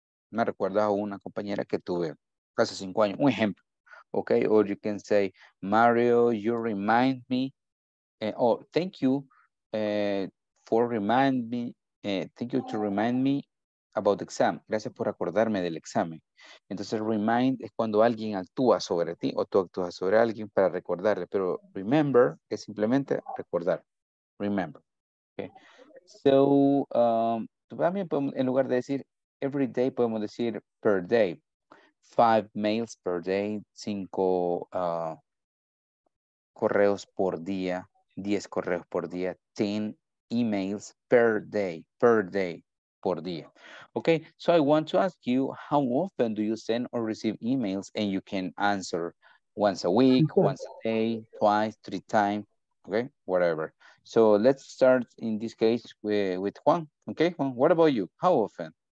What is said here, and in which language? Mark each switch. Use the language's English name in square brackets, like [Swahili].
[Spanish] Me recuerda a una compañera que tuve hace 5 años. Un ejemplo. Okay. [English] Or you can say, Mario, you remind me. Oh, thank you for remind me. Thank you to remind me about the exam. [Spanish] Gracias por acordarme del examen. Entonces, remind es cuando alguien actúa sobre ti o tú actúas sobre alguien para recordarle. Pero remember es simplemente recordar. Remember. Okay. So, también podemos, en lugar de decir [English] every day, [Spanish] podemos decir per day. [English] 5 mails per day, [Spanish] 5 correos por día, 10 correos por día, [English] 10 emails per day, [Spanish] por día. [English] Okay, so I want to ask you, how often do you send or receive emails? And you can answer once a week, once a day, twice, three times, okay, whatever. So let's start in this case with Juan. Okay, Juan, what about you? How often?